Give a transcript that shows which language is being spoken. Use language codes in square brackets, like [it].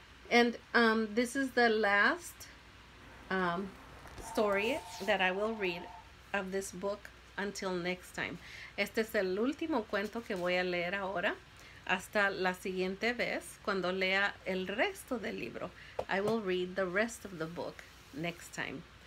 [en] And this is the last story that I will read of this book until next time. [es] Este es el último cuento que voy a leer ahora. Hasta la siguiente vez, cuando lea el resto del libro. [en] I will read the rest of the book next time.